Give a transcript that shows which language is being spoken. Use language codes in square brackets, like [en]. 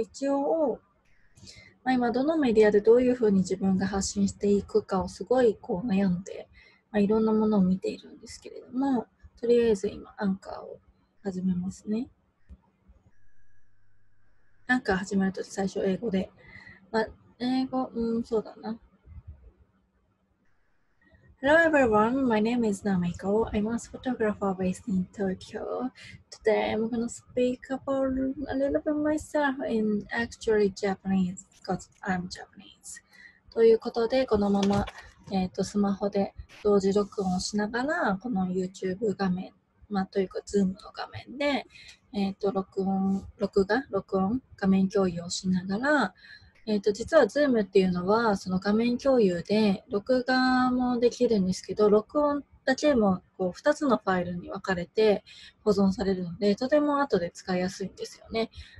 [ja] 一応、まあ、今どのメディアでどういうふうに自分が発信していくかをすごいこう悩んで、まあ、いろんなものを見ているんですけれども、とりあえず今アンカーを始めますね。アンカー始めると最初英語で、まあ、英語、そうだな。 [en] Hello everyone, my name is Namiko. I'm a photographer based in Tokyo. Today I'm going to speak about a little bit myself in actually Japanese because I'm Japanese. [ja] ということで、このまま、スマホで同時録音をしながら、この YouTube 画面、まあ、というか Zoom の画面で、録音、画面共有をしながら、実は Zoom っていうのはその画面共有で録画もできるんですけど、録音だけもこう2つのファイルに分かれて保存されるので、とても後で使いやすいんですよね。